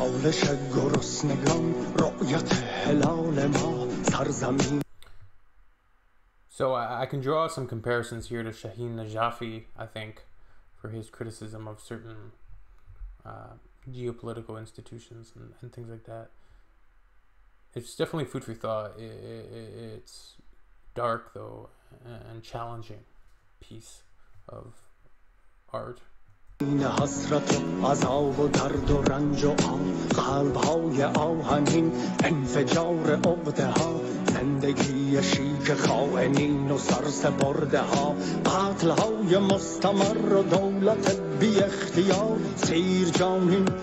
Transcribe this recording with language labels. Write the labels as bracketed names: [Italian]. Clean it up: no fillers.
[English] So I can draw some comparisons here to Shaheen Najafi, I think, for his criticism of certain geopolitical institutions and things like that. It's definitely food for thought. It's dark, though, and challenging piece of art. [Persian] این حسرت و عذاب و درد و رنج و آه قلب‌های آهنین انفجار عقده‌ها زندگی شیک خائنین و سرسپرده‌ها قتل‌های مستمر و دولت بی اختیار سیر جانین